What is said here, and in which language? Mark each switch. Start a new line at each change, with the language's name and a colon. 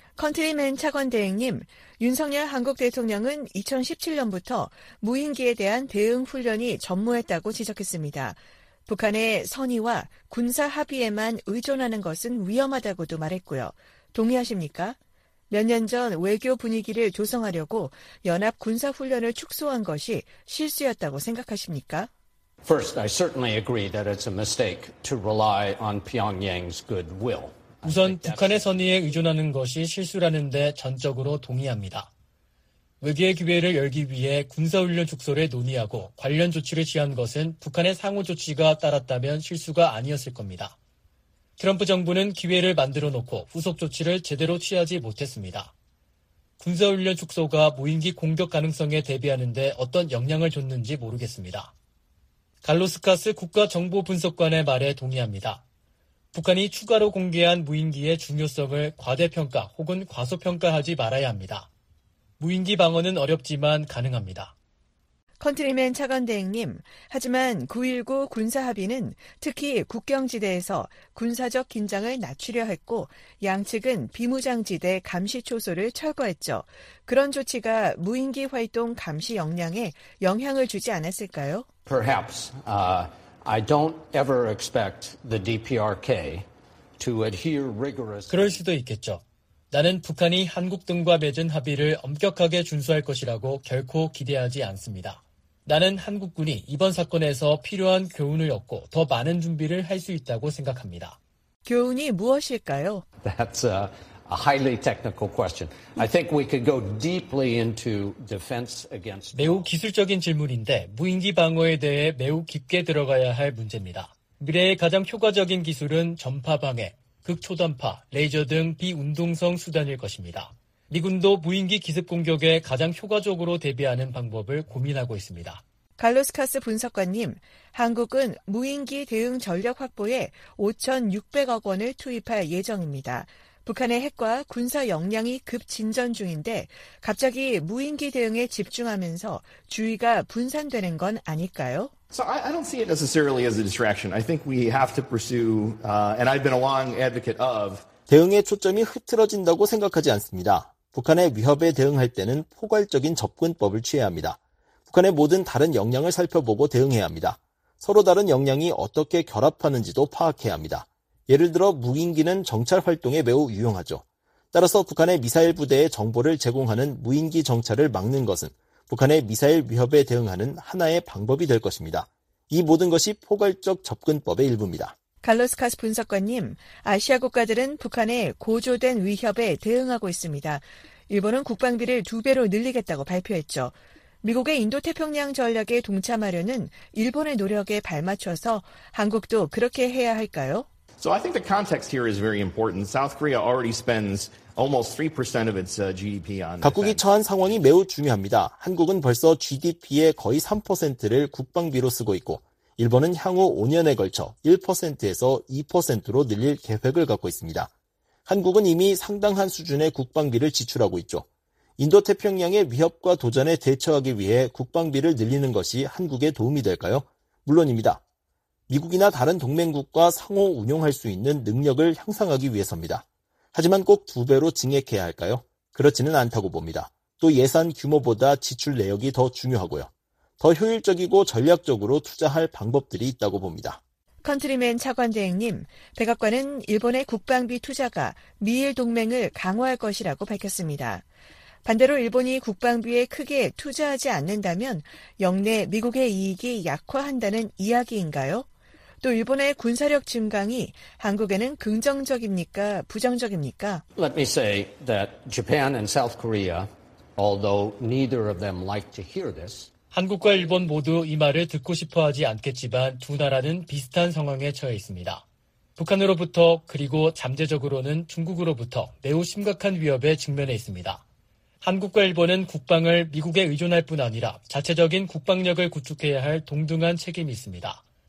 Korean: 컨트리맨 차관 대행님, 윤석열 한국 대통령은 2017년부터 무인기에 대한 대응 훈련이 전무했다고 지적했습니다. 북한의 선의와 군사 합의에만 의존하는 것은 위험하다고도 말했고요. 동의하십니까? 몇 년 전 외교 분위기를 조성하려고 연합 군사 훈련을 축소한 것이 실수였다고 생각하십니까?
English: First, I certainly agree that it's a mistake to rely on Pyongyang's goodwill.
Korean: 우선 북한의 선의에 의존하는 것이 실수라는 데 전적으로 동의합니다. 외교의 기회를 열기 위해 군사훈련 축소를 논의하고 관련 조치를 취한 것은 북한의 상호 조치가 따랐다면 실수가 아니었을 겁니다. 트럼프 정부는 기회를 만들어 놓고 후속 조치를 제대로 취하지 못했습니다. 군사훈련 축소가 무인기 공격 가능성에 대비하는 데 어떤 영향을 줬는지 모르겠습니다. 갈로스카스 국가정보분석관의 말에 동의합니다. 북한이 추가로 공개한 무인기의 중요성을 과대평가 혹은 과소평가하지 말아야 합니다. 무인기 방어는 어렵지만 가능합니다. 컨트리맨 차관 대행님, 하지만 9.19 군사 합의는 특히 국경지대에서 군사적 긴장을 낮추려 했고 양측은 비무장지대 감시 초소를 철거했죠. 그런 조치가 무인기 활동 감시 역량에 영향을 주지 않았을까요?
English: Perhaps. I don't ever expect the DPRK to adhere rigorously.
Korean: 그럴 수도 있겠죠. 나는 북한이 한국 등과 맺은 합의를 엄격하게 준수할 것이라고 결코 기대하지 않습니다. 나는 한국군이 이번 사건에서 필요한 교훈을 얻고 더 많은 준비를 할 수 있다고 생각합니다. 교훈이 무엇일까요?
English: That's a highly technical question. I think we could go deeply into defense against.
Korean: 매우 기술적인 질문인데 무인기 방어에 대해 매우 깊게 들어가야 할 문제입니다. 미래의 가장 효과적인 기술은 전파 방해, 극초단파, 레이저 등 비운동성 수단일 것입니다. 미군도 무인기 기습 공격에 가장 효과적으로 대비하는 방법을 고민하고 있습니다. 갈로스카스 분석관님, 한국은 무인기 대응 전력 확보에 5,600억 원을 투입할 예정입니다. 북한의 핵과 군사 역량이 급진전 중인데 갑자기 무인기 대응에 집중하면서 주의가 분산되는 건 아닐까요?
English: So I don't see it necessarily as a distraction. I think we have to pursue, and I've been a long advocate of.
Korean: 대응의 초점이 흐트러진다고 생각하지 않습니다. 북한의 위협에 대응할 때는 포괄적인 접근법을 취해야 합니다. 북한의 모든 다른 역량을 살펴보고 대응해야 합니다. 서로 다른 역량이 어떻게 결합하는지도 파악해야 합니다. 예를 들어 무인기는 정찰 활동에 매우 유용하죠. 따라서 북한의 미사일 부대에 정보를 제공하는 무인기 정찰을 막는 것은 북한의 미사일 위협에 대응하는 하나의 방법이 될 것입니다. 이 모든 것이 포괄적 접근법의 일부입니다. 갈로스카스 분석관님, 아시아 국가들은 북한의 고조된 위협에 대응하고 있습니다. 일본은 국방비를 두 배로 늘리겠다고 발표했죠. 미국의 인도태평양 전략에 동참하려는 일본의 노력에 발맞춰서 한국도 그렇게 해야 할까요?
English: So I think the context here is very important. South Korea already spends almost 3% of its GDP on.
Korean: 각국이 처한 상황이 매우 중요합니다. 한국은 벌써 GDP의 거의 3%를 국방비로 쓰고 있고, 일본은 향후 5년에 걸쳐 1%에서 2%로 늘릴 계획을 갖고 있습니다. 한국은 이미 상당한 수준의 국방비를 지출하고 있죠. 인도태평양의 위협과 도전에 대처하기 위해 국방비를 늘리는 것이 한국에 도움이 될까요? 물론입니다. 미국이나 다른 동맹국과 상호 운용할 수 있는 능력을 향상하기 위해서입니다. 하지만 꼭 두 배로 증액해야 할까요? 그렇지는 않다고 봅니다. 또 예산 규모보다 지출 내역이 더 중요하고요. 더 효율적이고 전략적으로 투자할 방법들이 있다고 봅니다. 컨트리맨 차관 대행님, 백악관은 일본의 국방비 투자가 미일 동맹을 강화할 것이라고 밝혔습니다. 반대로 일본이 국방비에 크게 투자하지 않는다면 역내 미국의 이익이 약화한다는 이야기인가요? 또 일본의 군사력 증강이 한국에는 긍정적입니까? 부정적입니까?
English: Let me say that Japan and South Korea, although neither of them like to hear this.
Korean: 한국과 일본 모두 이 말을 듣고 싶어 하지 않겠지만 두 나라는 비슷한 상황에 처해 있습니다. 북한으로부터 그리고 잠재적으로는 중국으로부터 매우 심각한 위협에 직면해 있습니다. 한국과 일본은 국방을 미국에 의존할 뿐 아니라 자체적인 국방력을 구축해야 할 동등한 책임이 있습니다.